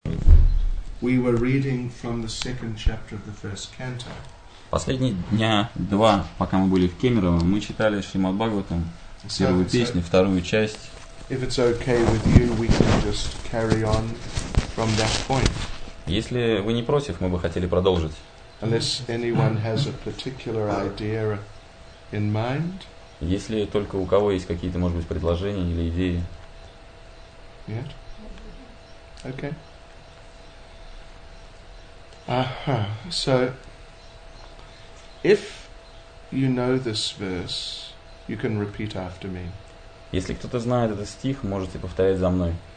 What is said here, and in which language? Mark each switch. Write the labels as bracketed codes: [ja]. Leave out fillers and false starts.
[en] We were reading from the second chapter of the first canto. [ru] Последние дня два, пока мы были в Кемерово, мы читали Шримад-Бхагаватам, первую песню, вторую часть. [en] If it's okay with you, we can just carry on from that point. [ru] Если вы не против, мы бы хотели продолжить. [en] Unless anyone has a particular idea in mind. [ru] Если только у кого есть какие-то, может быть, предложения или идеи. Нет? Okay. [en] So, if you know this verse, you can repeat after me. [ru] Если кто-то знает этот стих, можете повторять за мной.